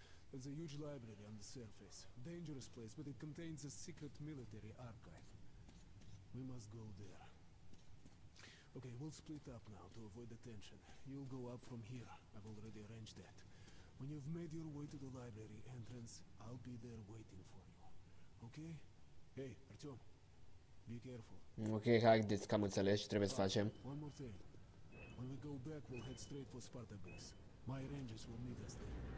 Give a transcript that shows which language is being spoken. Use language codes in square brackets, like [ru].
[en] There's a huge library on the surface, dangerous place, but it contains a secret military archive. We must go there. Okay, we'll split up now to avoid attention. You'll go up from here. I've already arranged that. When you've made your way to the library entrance, I'll be there waiting for you. Okay? Hey, Artyom. Be careful. [ro] Okay, haideți, cam înțeles ce trebuie să facem. [en] One more thing. When we go back, we'll head straight for Sparta Base. My rangers will meet us there.